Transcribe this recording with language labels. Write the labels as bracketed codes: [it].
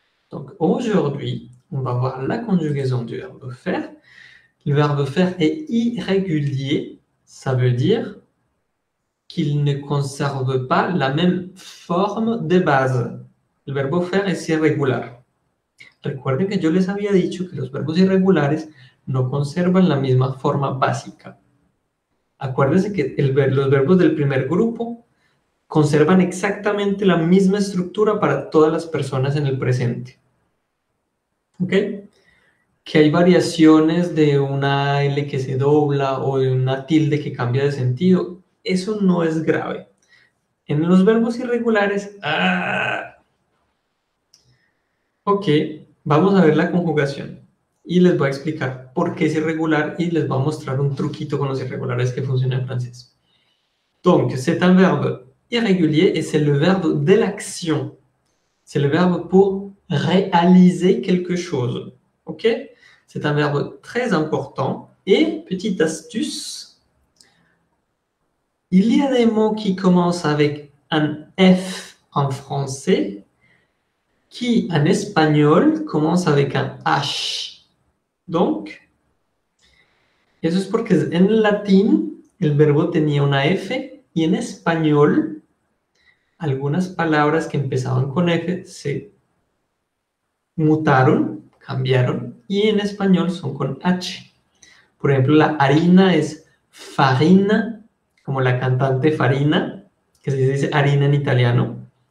[fr] Donc, aujourd'hui, on va voir la conjugaison du verbe faire. Le verbe faire est irrégulier, ça veut dire qu'il ne conserve pas la même forme de base. Le verbe faire est irrégulier. [es] Recuerden que yo les había dicho que los verbos irregulares no conservan la misma forma básica. Acuérdense que los verbos del primer grupo conservan exactamente la misma estructura para todas las personas en el presente. ¿Ok? Que hay variaciones de una L que se dobla o de una tilde que cambia de sentido. Eso no es grave. En los verbos irregulares. ¡Ah! Ok. Vamos a ver la conjugación y les voy a explicar por qué es irregular y les voy a mostrar un truquito con los irregulares que funciona en francés. [fr] Donc, c'est un verbe irrégulier et c'est le verbe de l'action. C'est le verbe pour réaliser quelque chose. OK? C'est un verbe très important et petite astuce. Il y a des mots qui commencent avec un F en français. Qui en espagnol commence avec un H. Donc, [es] eso es porque en latín El verbo tenía una F y en español algunas palabras que empezaban con F se mutaron, cambiaron y en español son con H. Por ejemplo, la harina es farina, como la cantante Farina, que se dice harina en italiano.